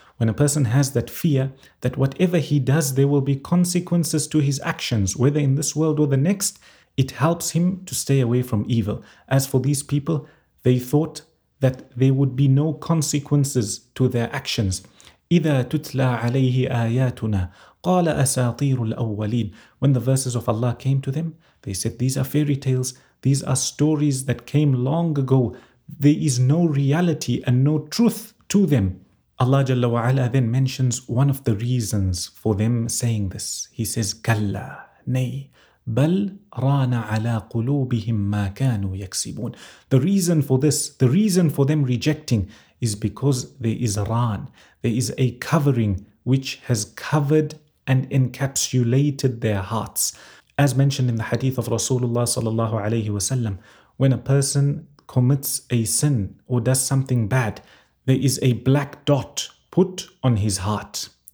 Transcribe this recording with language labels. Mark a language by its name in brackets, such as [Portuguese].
[English] When a person has that fear that whatever he does, there will be consequences to his actions, whether in this world or the next, it helps him to stay away from evil. As for these people, they thought that there would be no consequences to their actions. [Arabic] إذا تتلى عليه آياتنا قال أساطير الأولين. [English] When the verses of Allah came to them, they said, these are fairy tales. These are stories that came long ago. There is no reality and no truth to them. Allah Jalla wa Ala then mentions one of the reasons for them saying this. He says, [Arabic] كلا, [English] nay, [Arabic] بل ران على قلوبهم ما كانوا يكسبون. [English] The reason for this, the reason for them rejecting is because there is ران. There is a covering which has covered and encapsulated their hearts. As mentioned in the hadith of Rasulullah sallallahu alayhi wa sallam, when a person commits a sin or does something bad, there is a black dot put on his heart.